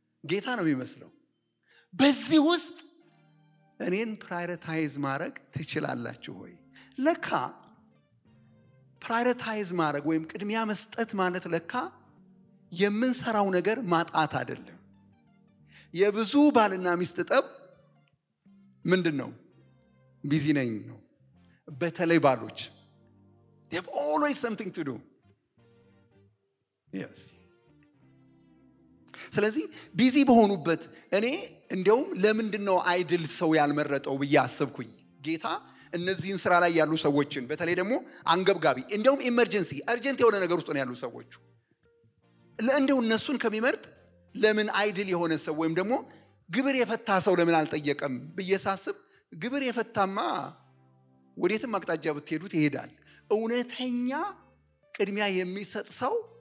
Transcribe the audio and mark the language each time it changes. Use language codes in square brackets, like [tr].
[am] ጌታ ነው የሚመስለው። በዚህ ውስጥ እኔን ፕራዮሪታይዝ ማድረግ ትችላላችሁ ሆይ? ለካ ፕራዮሪታይዝ ማድረግ ወይም ቅድሚያ መስጠት ማለት ለካ የምንሰራው ነገር ማጣት አይደለም። የብዙ ባልና ሚስት ጠብ ምንድን ነው? ቢዚ ነኝ ነው። በተለይ ባሎች [en] they have always something to do. Yes. [am] ስለዚህ ቢዚ በሆኑበት እኔ እንደውም ለምንድን ነው አይድል ሰው ያልመረጠው ብዬ አሰብኩኝ። ጌታ እነዚህን ስራ ላይ ያሉ ሰዎችን በተለይ ደግሞ አንገብጋቢ እንደውም ኤመርጀንሲ አርጀንት የሆነ ነገር ውስጥ ነው ያሉ ሰዎች ለእንደው እነሱን ከመመርጥ ለምን አይድል የሆነ ሰው ወይም ደግሞ ግብር የፈታ ሰው ለምን አልጠየቀም ብዬ ሳስብ፣ ግብር የፈታማ ወዴትም አቅጣጫ ብትሄዱት ይሄዳል። እውነተኛ ቅድሚያ የሚሰጥ ሰው